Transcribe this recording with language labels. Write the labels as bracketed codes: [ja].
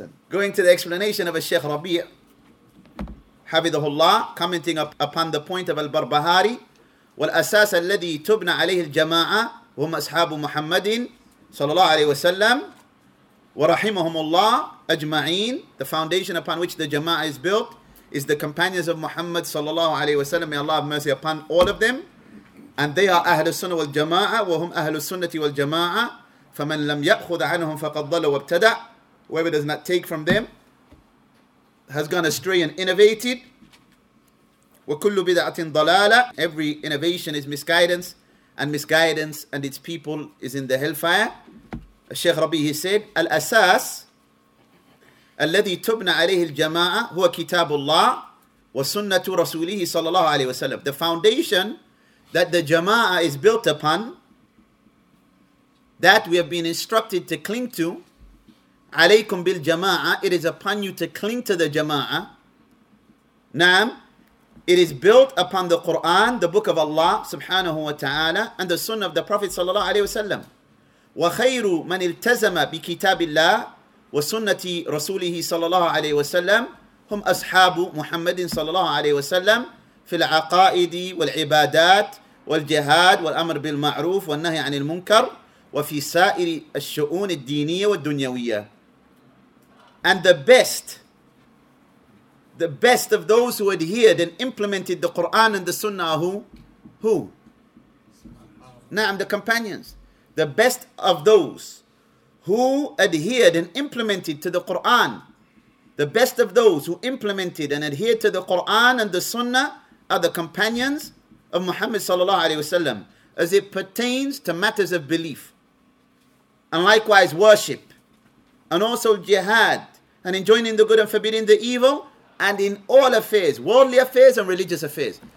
[en] Going to the explanation of Sheikh Rabi' Hafidhullah, commenting upon the point of Al-Barbahari, [ar] والأساس الذي تبنى عليه الجماعة هم أصحاب محمد صلى الله عليه وسلم ورحمهم الله أجمعين. [en] The foundation upon which the jama'ah is built is the companions of Muhammad صلى الله عليه وسلم. May Allah have mercy upon all of them. And they are [ar] أهل السنة والجماعة وهم أهل السنة والجماعة فمن لم يأخذ عنهم فقد ضل وابتدع. [en] Whoever does not take from them has gone astray and innovated. [ar] وكل بدعة ضلالة. [en] Every innovation is misguidance, and misguidance and its people is in the hellfire. [ar] الشيخ ربي, [en] he said, [ar] الأساس الذي تبنى عليه الجماعة هو كتاب الله وسنة رسوله صلى الله عليه وسلم. [en] The foundation that the jama'ah is built upon, that we have been instructed to cling to, [ar] عليكم بالجماعة, [en] it is upon you to cling to the jama'ah. [ar] نعم. [en] It is built upon the Quran, the book of Allah subhanahu wa ta'ala, and the sunnah of the Prophet sallallahu alayhi wa sallam. [ar] وَخَيْرُ مَنْ إِلْتَزَمَ بِكِتَابِ اللَّهِ وَسُنَّةِ رَسُولِهِ sallallahu alayhi wa sallam هُمْ أَصْحَابُ مُحَمَّدٍ sallallahu alayhi wa sallam فِي الْعَقَائِدِ وَالْعِبَادَاتِ وَالْجِهَادِ وَالْأَمْرِ بِالْمَعْرُوفِ وَالنَّهِي عَنِ الْمُنْكَرِ وَفِي سَائِرِ الشُّؤُونِ الدِّينِيَّةِ وَالدُّنْيَوِيَّةِ. [en] And the best of those who adhered and implemented the Quran and the Sunnah are who? Na'am, the companions. The best of those who adhered and implemented to the Quran, the best of those who implemented and adhered to the Quran and the Sunnah are the companions of Muhammad sallallahu alayhi wasallam, as it pertains to matters of belief, and likewise worship, and also jihad, and enjoining the good and forbidding the evil, and in all affairs, worldly affairs and religious affairs.